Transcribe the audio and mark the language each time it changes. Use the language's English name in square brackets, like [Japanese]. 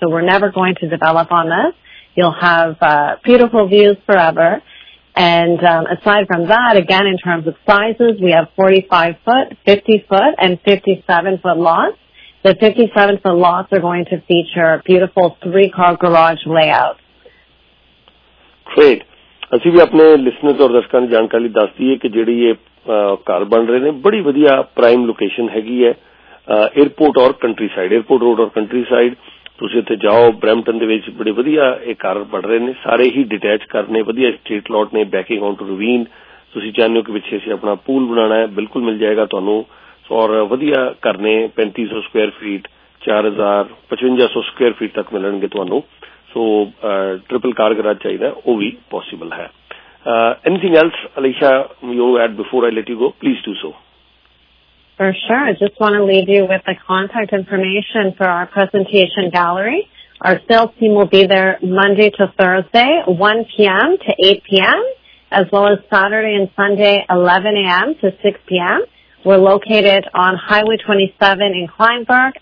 [English] So we're never going to develop on this. You'll have beautiful views forever. And aside from that, again, in terms of sizes, we have 45-foot, 50-foot, and 57-foot lots. The The 57-foot lots are going to feature beautiful three-car garage layouts. Great. [Punjabi] ਅਸੀਂ ਵੀ ਆਪਣੇ listeners ਔਰ ਦਰਸ਼ਕਾਂ ਨੂੰ ਜਾਣਕਾਰੀ ਦੱਸ ਦਈਏ ਕਿ ਜਿਹੜੀ ਇਹ ਘਰ ਬਣ ਰਹੇ ਨੇ ਬੜੀ ਵਧੀਆ ਪ੍ਰਾਈਮ ਲੋਕੇਸ਼ਨ ਹੈਗੀ ਹੈ ਏਅਰਪੋਰਟ ਔਰ ਕੰਟਰੀ ਸਾਈਡ ਏਅਰਪੋਰਟ ਰੋਡ ਔਰ ਕੰਟਰੀ ਸਾਈਡ ਤੁਸੀਂ ਇੱਥੇ ਜਾਓ ਬ੍ਰੈਮਟਨ ਦੇ ਵਿੱਚ ਬੜੇ ਵਧੀਆ ਇਹ ਘਰ ਬਣ ਰਹੇ ਨੇ ਸਾਰੇ ਹੀ ਡਿਟੈਚ ਕਰਨੇ ਵਧੀਆ ਸਟਰੀਟ ਲੋਟ ਨੇ [English] backing on to ravine [Punjabi] ਤੁਸੀਂ ਚਾਹੁੰਦੇ ਹੋ ਕਿ ਪਿੱਛੇ ਅਸੀਂ ਆਪਣਾ ਪੂਲ ਬਣਾਉਣਾ ਹੈ ਬਿਲਕੁਲ ਮਿਲ ਜਾਏਗਾ ਤੁਹਾਨੂੰ ਔਰ ਵਧੀਆ ਘਰ ਨੇ 3500 ਸਕੁਆਇਰ ਫੀਟ 4000-5500 ਸਕੁਆਇਰ ਫੀਟ ਤੱਕ ਮਿਲਣਗੇ ਤੁਹਾਨੂੰ ਸੋ ਟ੍ਰਿਪਲ ਕਾਰ ਗਰਾਜ ਚਾਹੀਦਾ ਉਹ ਵੀ ਪੋਸੀਬਲ ਹੈ [English] Anything else Alisha you add before I let you go please do so For sure. I just want to leave you with the contact information for our presentation gallery. Our sales team will be there Monday to Thursday, 1 p.m. to 8 p.m., as well as Saturday and Sunday, 11 a.m. to 6 p.m. We're located on Highway 27 in Kleinberg.